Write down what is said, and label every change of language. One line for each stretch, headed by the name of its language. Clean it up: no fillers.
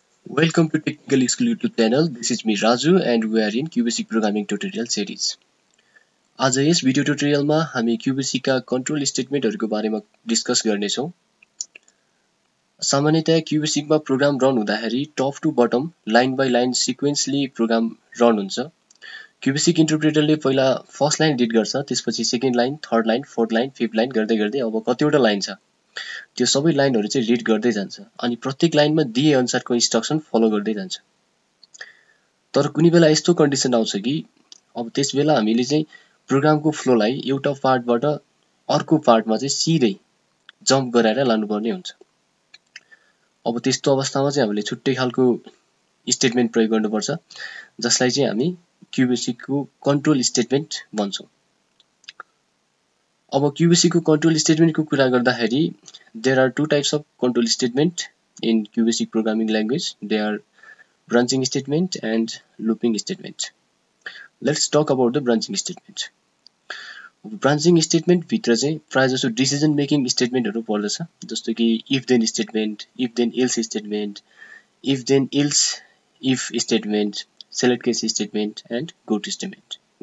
English: Welcome to Technical School YouTube channel. This is me Raju and we are in Qbasic programming tutorial series.
Nepali: आज यस video tutorial मा हामी Qbasic का control statement हरुको बारेमा discuss गर्ने छौं. सामान्यतया Qbasic मा program run हुँदाखेरि top to bottom line by line sequentially program run हुन्छ. Qbasic interpreter ले पहिला first line read गर्छ, त्यसपछि second line, third line, fourth line, fifth line गर्दै गर्दै अब कतिवटा line छ त्यो सबै लाइनहरु चाहिँ रीड गर्दै जान्छ अनि प्रत्येक लाइनमा दिए अनुसारको इन्स्ट्रक्सन फलो गर्दै जान्छ तर कुनै बेला यस्तो कन्डिसन आउँछ कि अब त्यस बेला हामीले चाहिँ प्रोग्रामको फ्लोलाई एउटा पार्टबाट अर्को पार्टमा चाहिँ सिधै जम्प गराएर लानुपर्ने हुन्छ अब त्यस्तो अवस्थामा चाहिँ हामीले छुट्टै खालको स्टेटमेन्ट प्रयोग गर्नुपर्छ जसलाई चाहिँ हामी Qbasic को कन्ट्रोल स्टेटमेन्ट भन्छौं अब Qbasic को control statement को कुरा गर्दा हेरी,
English: there are two types of control statement in Qbasic programming language. They are branching statement and looping statement. Let's talk about the branching statement. Branching statement
Nepali: भित्र चाहिँ प्राय जसो
English: decision making statement
Nepali: हरू पर्दछ, जस्तो कि
English: if then statement, if then else statement, if then else if statement, select case statement and go to statement.